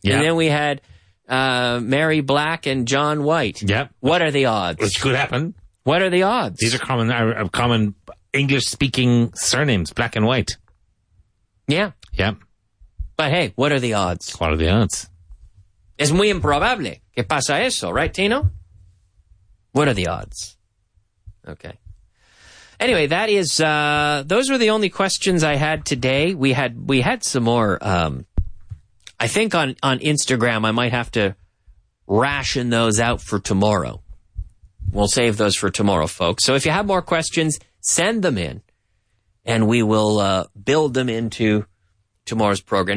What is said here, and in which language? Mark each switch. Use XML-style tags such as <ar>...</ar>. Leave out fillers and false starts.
<en>Yeah. And then we had Mary Black and John White. Yeah. What are the odds? Which could happen. What are the odds? These are common English-speaking surnames, Black and White. Yeah. Yeah. But hey, what are the odds? What are the odds?</en> <es>Es muy improbable que pasa eso,</es> <en>right,</en> <es>Tino?</es> <en>What are the odds? Okay. Anyway, that is, those were the only questions I had today. We had some more, I think on Instagram, I might have to ration those out for tomorrow. We'll save those for tomorrow, folks. So if you have more questions, send them in, and we will build them into tomorrow's program.</en>